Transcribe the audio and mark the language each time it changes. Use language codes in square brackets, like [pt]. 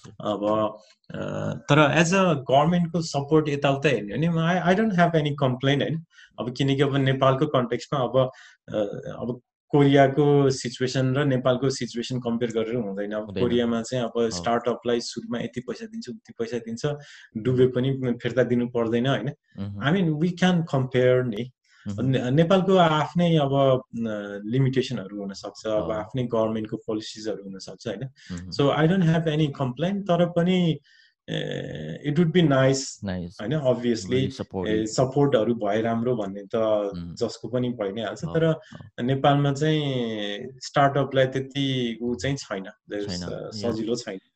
[ne] अब तर as a गभर्मेन्टको सपोर्ट यताउता हेर्ने हो भने [en] I don't have any complain [ne] होइन. अब किनकि अब नेपालको कन्टेक्स्टमा अब अब कोरियाको सिचुएसन र नेपालको सिचुएसन कम्पेयर गरेर हुँदैन. अब कोरियामा चाहिँ अब स्टार्टअपलाई सुरुमा यति पैसा दिन्छ उति पैसा दिन्छ डुबे पनि फिर्ता दिनु पर्दैन होइन. [en] I mean we can compare नि. [ne] नेपालको आफ्नै अब लिमिटेसनहरू हुनसक्छ, अब आफ्नै गभर्मेन्टको पोलिसिजहरू हुनसक्छ होइन. [en] so I don't have any complain [ne] तर पनि [en] it would be nice [ne] होइन. अभियसली सपोर्टहरू भए राम्रो भन्ने त जसको पनि भइ नै हाल्छ तर नेपालमा चाहिँ स्टार्टअपलाई त्यति ऊ चाहिँ छैन, सजिलो छैन.